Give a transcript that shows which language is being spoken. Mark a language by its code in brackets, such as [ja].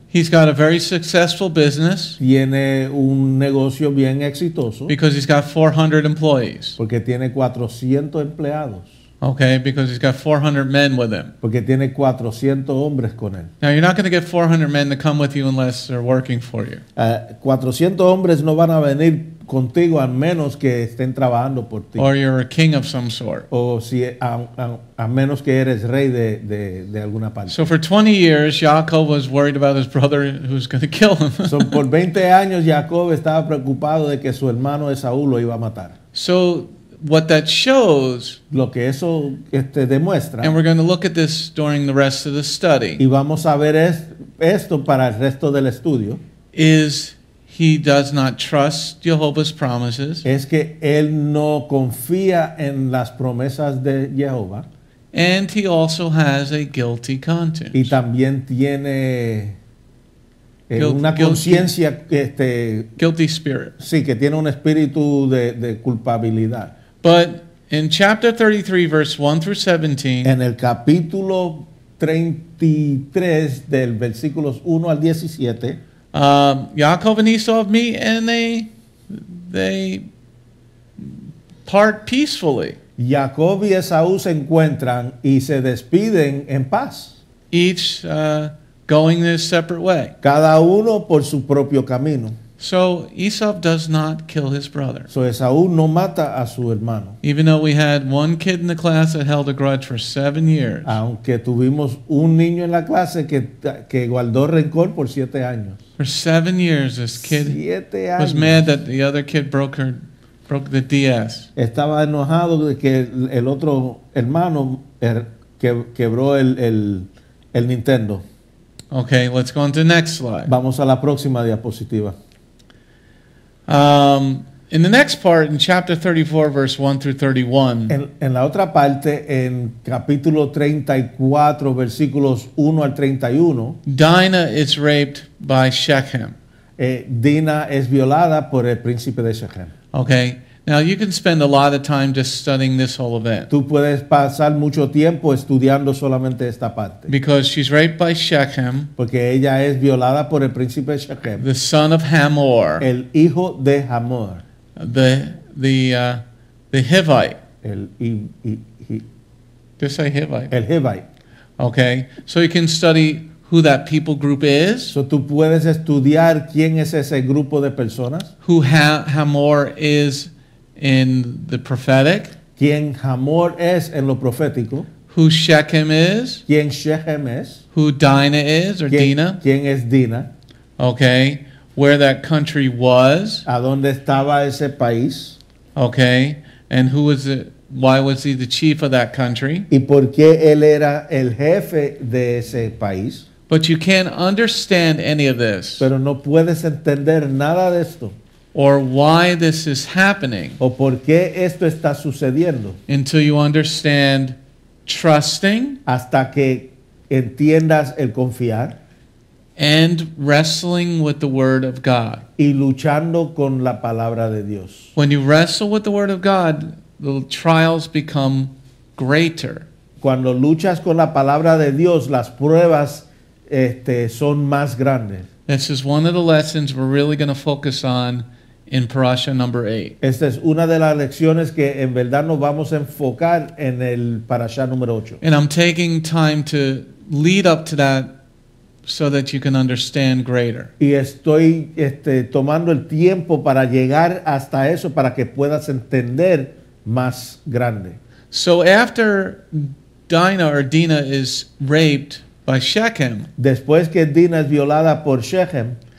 [en] He's got a very successful business. [es] Tiene un negocio bien exitoso. [en] Because he's got 400 employees. [es] Porque tiene 400 empleados. [en] Okay, because he's got 400 men with him. [es] Porque tiene 400 hombres con él. [en] Now, you're not going to get 400 men to come with you unless they're working for you. [es] 400 hombres no van a venir contigo a menos que estén trabajando por ti. [en] Or you're a king of some sort. [es] O si a menos que eres rey de alguna parte. [en] So for 20 years, Jacob was worried about his brother who's going to kill him. [es] So por 20 años, Jacob estaba preocupado de que su hermano Esaú lo iba a matar. [en] So what that shows, [es] lo que eso demuestra, [en] and we're going to look at this during the rest of the study, [es] y vamos a ver esto para el resto del estudio, [en] is he does not trust Jehovah's promises. [es] Es que él no confía en las promesas de Jehová. [en] And he also has a guilty conscience. [es] Y también tiene una conciencia [en] guilty spirit. [es] Sí, que tiene un espíritu de culpabilidad. [en] But in chapter 33, verse 1 through 17, [es] en el capítulo 33 del versículos 1 al 17, [en] Jacob and Esau meet and they part peacefully. [es] Jacob y Esaú se encuentran y se despiden en paz. [en] Each going their separate way. [es] Cada uno por su propio camino. [en] So Esau does not kill his brother. [es] So Esaú no mata a su hermano. [en] Even though we had one kid in the class that held a grudge for 7 years. [es] Aunque tuvimos un niño en la clase que guardó rencor por 7 años. [en] For 7 years, this kid was mad that the other kid broke the DS. [es] Estaba enojado de que el otro hermano quebró el Nintendo. [en] Okay, let's go on to the next slide. [es] Vamos a la próxima diapositiva. [en] In the next part, in chapter 34, verse 1 through 31. [es] En la otra parte, en capítulo 34, versículos 1 al 31. [en] Dinah is raped by Shechem. [es] Dinah es violada por el príncipe de Shechem. [en] Okay. Now you can spend a lot of time just studying this whole event. [es] Tú puedes pasar mucho tiempo estudiando solamente esta parte. [en] Because she's raped by Shechem. [es] Porque ella es violada por el príncipe Shechem. [en] The son of Hamor. [es] El hijo de Hamor. [en] The Hivite. [es] El Hivite. [en] Okay, so you can study who that people group is. [es] So tú puedes estudiar quién es ese grupo de personas. [en] Who Hamor is. In the prophetic, [es] quien Hamor es en lo profético, [en] who Shechem is, [es] quien Shechem es, [en] who Dinah is, or [es] quien, Dina, quien es Dina, [en] okay, where that country was, [es] a donde estaba ese país, [en] okay, and who was it, why was he the chief of that country, [es] y por qué él era el jefe de ese país. [en] But you can't understand any of this, [es] pero no puedes entender nada de esto. [en] Or why this is happening. [es] O por qué esto está sucediendo. [en] Until you understand trusting. [es] Hasta que entiendas el confiar. [en] And wrestling with the word of God. [es] Y luchando con la palabra de Dios. [en] When you wrestle with the word of God, the trials become greater. [es] Cuando luchas con la palabra de Dios, las pruebas son más grandes. [en] This is one of the lessons we're really going to focus on. In Parasha number 8. [es] Esta es una de las lecciones que en verdad nos vamos a enfocar en el Parasha número 8. [en] And I'm taking time to lead up to that so that you can understand greater. [es] Y estoy tomando el tiempo para llegar hasta eso para que puedas entender más grande. [en] So after Dinah or Dina is raped by Shechem. [es] Después que Dina es violada por Shechem,